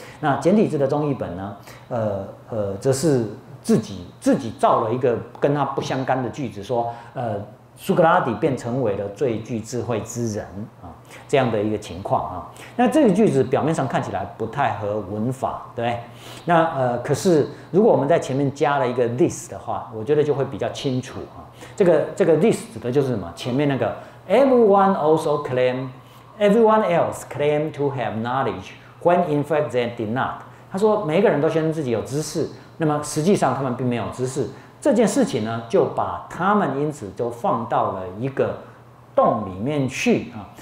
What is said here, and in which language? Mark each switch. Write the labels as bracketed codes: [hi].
[zh] 那简体字的中译本呢，则是自己造了一个跟他不相干的句子，说苏格拉底便成为了最具智慧之人啊，这样的一个情况啊。那这个句子表面上看起来不太合文法，对。那可是如果我们在前面加了一个 this 的话，我觉得就会比较清楚啊。这个 this 指的就是什么？前面那个 [en] everyone else claim to have knowledge when in fact they did not。 [zh] 他说每一个人都宣称自己有知识，那么实际上他们并没有知识。这件事情呢，就把他们因此就放到了一个洞里面去啊。